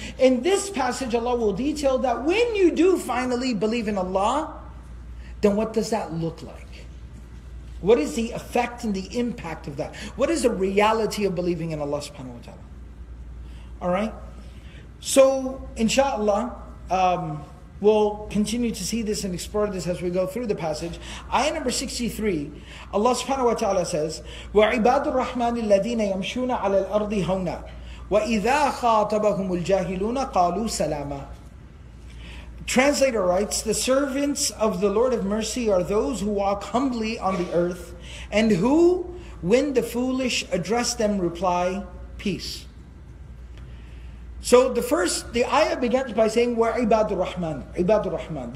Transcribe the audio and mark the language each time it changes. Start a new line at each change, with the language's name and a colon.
English: In this passage, Allah will detail that when you do finally believe in Allah, then what does that look like? What is the effect and the impact of that? What is the reality of believing in Allah subhanahu wa ta'ala? All right? So, inshallah, we'll continue to see this and explore this as we go through the passage. Ayah number 63, Allah subhanahu wa ta'ala says,
Arabic: وَعِبَادُ الرَّحْمَنِ الَّذِينَ يَمْشُونَ عَلَى الْأَرْضِ هَوْنَا وَإِذَا خَاطَبَهُمُ الْجَاهِلُونَ قَالُوا سَلَامًا.
English: Translator writes, "The servants of the Lord of Mercy are those who walk humbly on the earth and who, when the foolish address them, reply, 'Peace.'" So the ayah begins by saying, "Wa ibadur Rahman, ibadur Rahman."